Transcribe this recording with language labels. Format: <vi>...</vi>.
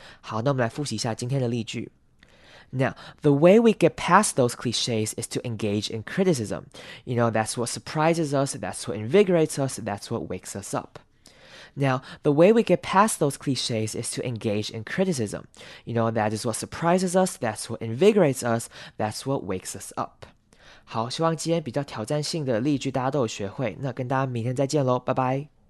<zh>好，那我们来复习一下今天的例句。</zh> <en>Now, the way we get past those cliches is to engage in criticism. You know, that's what surprises us. That's what invigorates us. That's what wakes us up. Now, the way we get past those cliches is to engage in criticism. You know, that is what surprises us, that's what invigorates us, that's what wakes us up.</en> <zh>好，希望今天比较挑战性的例句大家都有学会，那跟大家明天再见咯，拜拜。</zh>